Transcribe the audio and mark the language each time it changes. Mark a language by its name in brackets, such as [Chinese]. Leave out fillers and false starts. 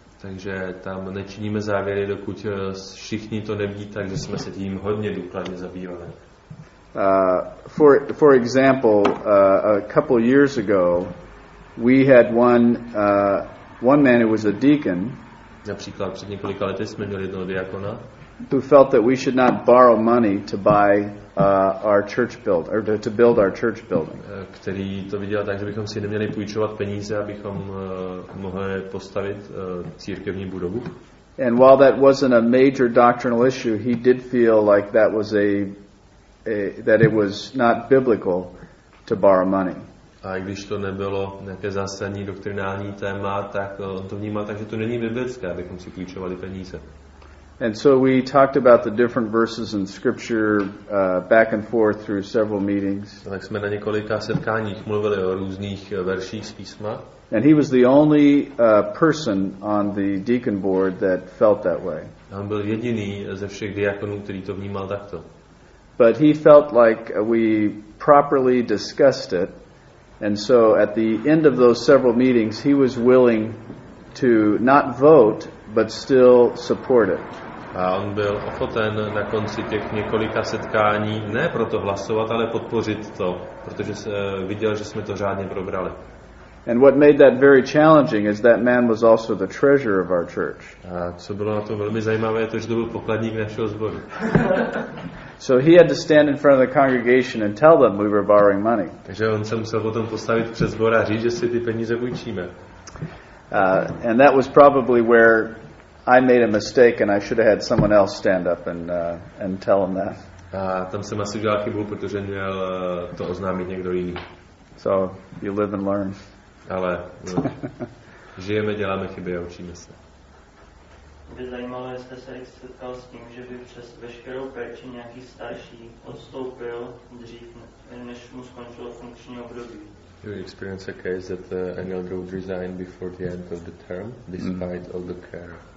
[Czech] Takže tam nečiníme závěry, dokud všichni to neví, takže jsme se tím hodně důkladně zabývali. [English] For example, a couple years ago, we had one man who was a deacon. [Czech] Například před několika lety jsme měli jednoho diakona, [English] who felt that we should not borrow money to buy our church build or to build our church building. [Czech] Který to viděl tak, že bychom si neměli půjčovat peníze, abychom mohli postavit církevní budovu. [English] And while that wasn't a major doctrinal issue, he did feel like that was that it was not biblical to borrow money. [Czech] A i když to nebylo nějaké zásadní doktrinální téma, tak on to vnímal tak, že to není biblické, abychom si půjčovali peníze. [English] And so we talked about the different verses in scripture back and forth through several meetings. [Czech] Tak jsme na několika setkáních mluvili o různých verších z písma. [English] And he was the only person on the deacon board that felt that way. [Czech] On byl jediný ze všech diakonů, který to vnímal takto. [English] But he felt like we properly discussed it, and so at the end of those several meetings, he was willing to not vote, but still support it. [Czech] A on byl ochoten na konci těch několika setkání ne proto hlasovat, ale podpořit to, protože viděl, že jsme to řádně probrali. [English] And what made that very challenging is that man was also the treasurer of our church. [Czech] A co bylo na tom velmi zajímavé, je to, že to byl pokladník našeho sboru. [English] So he had to stand in front of the congregation and tell them we were borrowing money. [Czech] Takže on se musel potom postavit před zbor a říct, že si ty peníze půjčíme. [English] And that was probably where I made a mistake and I should have had someone else stand up and tell them that. [Czech] A tam jsem asi udělal chybu, protože měl to oznámit někdo jiný. [English] So you live and learn. [Czech] Ale žijeme, děláme chyby a učíme se. By zajímalo, jestli se setkal s tím, že by přes veškerou péči nějaký starší odstoupil dřív, než mu skončilo funkční období. [English] You experience a case that an elder would resign before the end of the term, despite all the care.